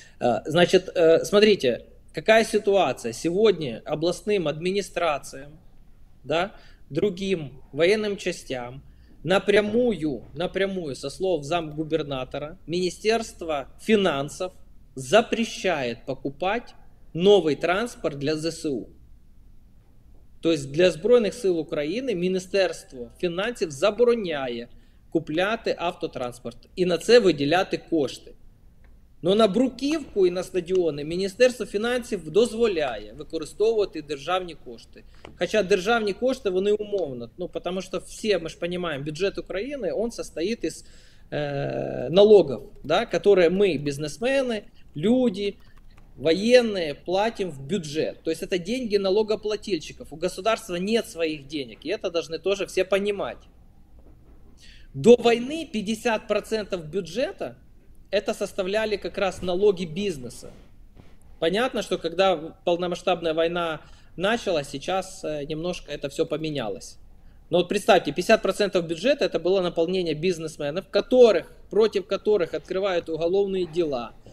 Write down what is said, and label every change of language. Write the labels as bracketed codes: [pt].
[ru] Значит, смотрите, какая ситуация? Сегодня областным администрациям, да, другим военным частям напрямую, со слов замгубернатора, Министерство финансов запрещает покупать новый транспорт для ЗСУ. [uk] То есть для Збройних сил України Міністерство фінансів забороняє купляти автотранспорт і на це виділяти кошти. Но на бруківку і на стадіони Міністерство фінансів дозволяє використовувати державні кошти. Хоча державні кошти, вони умовно, ну, тому що всі, ми ж розуміємо, бюджет України, він состоїть із налогів, да, які ми, бізнесмени, люди, воєнні, платимо в бюджет. Тобто це гроші налогоплательщиків. У держави немає своїх грошей, і це повинні теж всі розуміти. [ru] До війни 50% бюджету это составляли как раз налоги бизнеса. Понятно, что когда полномасштабная война началась, сейчас немножко это все поменялось. Но вот представьте, 50% бюджета это было наполнение бизнесменов, которых, против которых открывают уголовные дела.